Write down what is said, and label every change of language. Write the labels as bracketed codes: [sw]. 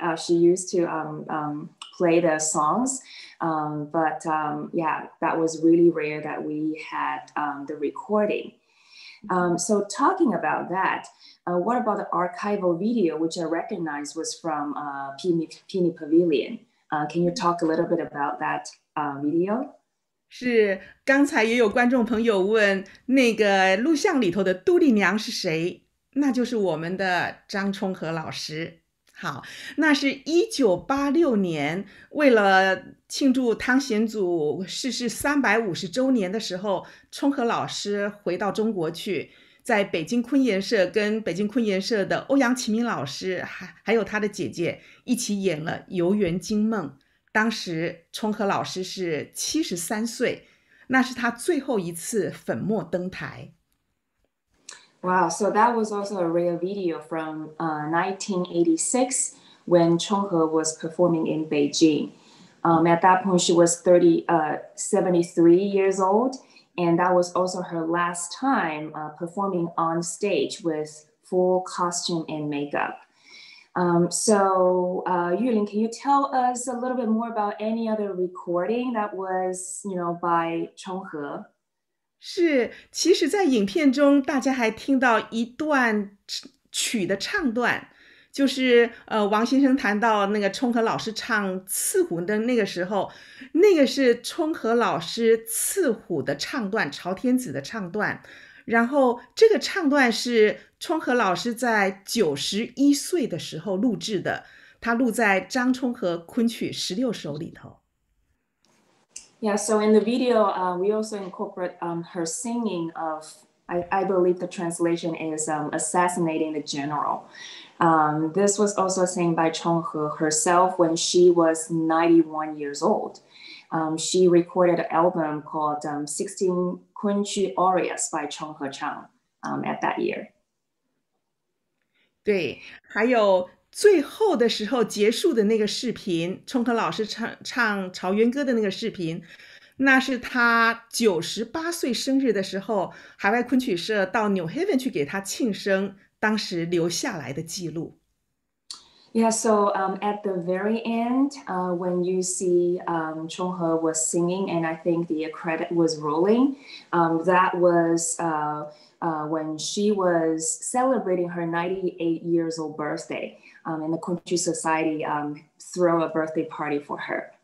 [en] She used to play the songs, but that was really rare that we had the recording. So talking about that, what about the archival video, which I recognize was from Pini Pavilion? Can you talk a little bit about that video? [zh] 是，刚才也有观众朋友问那个录像里头的杜丽娘是谁，那就是我们的张充和老师。好，那是1986年为了庆祝汤显祖逝世350周年的时候，充和老师回到中国去，在北京昆研社跟北京昆研社的欧阳启明老师还有他的姐姐一起演了《游园惊梦》。当时充和老师是73岁，那是他最后一次粉墨登台。 [en] Wow, so that was also a real video from 1986 when Chong He was performing in Beijing. At that point, she was 73 years old, and that was also her last time performing on stage with full costume and makeup. Yulin, can you tell us a little bit more about any other recording that was, you know, by Chong He? [zh] 是，其实在影片中大家还听到一段曲的唱段，就是王先生谈到那个充和老师唱刺虎灯那个时候，那个是充和老师刺虎的唱段，朝天子的唱段。然后这个唱段是充和老师在91岁的时候录制的，他录在张充和昆曲16首里头。 [en] Yeah, so in the video, we also incorporate her singing of, I believe the translation is assassinating the general. This was also sang by Chong He herself when she was 91 years old. She recorded an album called 16 Kunqu Arias by Chong He Chang at that year. [zh] 对，还有最后的时候结束的那个视频，充和老师 唱《朝元歌》的那个视频，那是他98岁生日的时候，海外昆曲社到 New Haven 去给他庆生，当时留下来的记录。 [en] Yeah, so at the very end, when you see Chong He was singing and I think the credit was rolling, that was when she was celebrating her 98 years old birthday. And the Kunqu Society threw a birthday party for her.